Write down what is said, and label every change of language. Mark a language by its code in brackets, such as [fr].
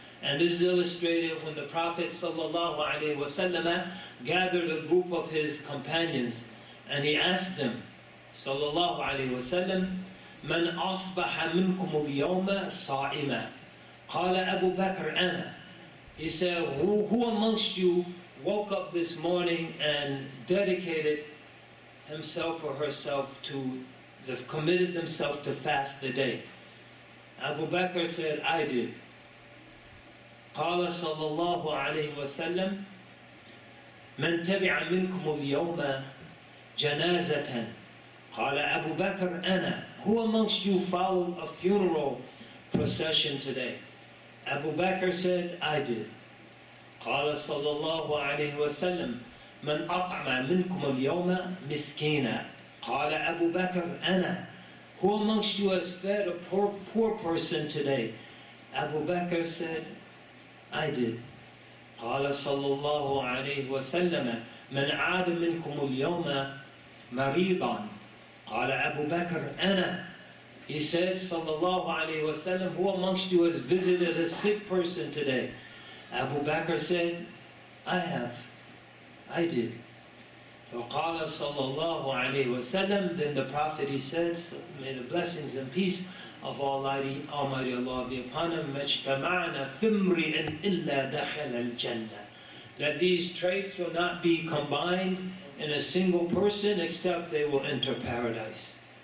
[en] And this is illustrated when the Prophet sallallahu alaihi wasallam gathered a group of his companions, and he asked them, sallallahu alaihi wasallam, [ar] "Man asbaha minkum al-yawma sa'ima?" Qala Abu Bakr, "Ana." [en] He said, "Who amongst you woke up this morning and dedicated himself or herself to, they've committed themselves to fast the day. Abu Bakr said, I did. [ar] قال صلى الله عليه وسلم من تبع منكم اليوم جنازة قال أبو بكر أنا. [en] Who amongst you followed a funeral procession today? Abu Bakr said, I did. [ar] قال صلى الله عليه وسلم من أطعم منكم اليوم مسكينا قال أبو بكر أنا. [en] Who amongst you has fed a poor person today? Abu Bakr said, I did. [ar] قال صلى الله عليه وسلم من عاد منكم اليوم مريضا قال أبو بكر أنا. [en] He said [ar] صلى الله عليه وسلم, [en] who amongst you has visited a sick person today? Abu Bakr said, I have. I did. [ar] فقال صلى الله عليه وسلم, [en] then the Prophet, he said, may the blessings and peace of Almighty Allah be upon him, [ar] مَجْتَمَعْنَا فِمْرِئًا إِلَّا دَخَلَ الْجَنَّةِ, [en] that these traits will not be combined in a single person except they will enter paradise.